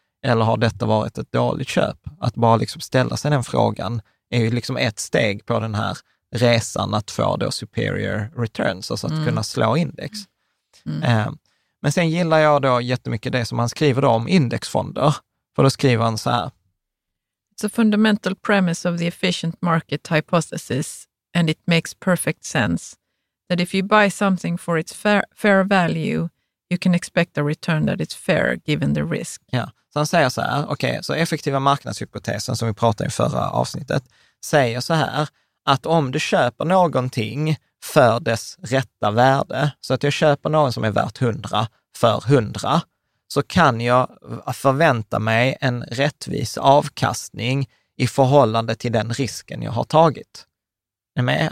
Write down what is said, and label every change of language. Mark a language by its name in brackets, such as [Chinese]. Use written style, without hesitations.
[Swedish] Eller har detta varit ett dåligt köp? Att bara liksom ställa sig den frågan är ju liksom ett steg på den här resan att få då superior returns, alltså att kunna slå index. Mm. Men sen gillar jag då jättemycket det som han skriver om indexfonder. För då skriver han så här. [English] It's a fundamental premise of the efficient market hypothesis, and it makes perfect sense that if you buy something for its fair value, you can expect a return that is fair given the risk. [Swedish] Ja. Så han säger så här, okej, så effektiva marknadshypotesen som vi pratade i förra avsnittet säger så här, att om du köper någonting för dess rätta värde, så att jag köper någon som är värt 100 för 100, så kan jag förvänta mig en rättvis avkastning i förhållande till den risken jag har tagit. Är med?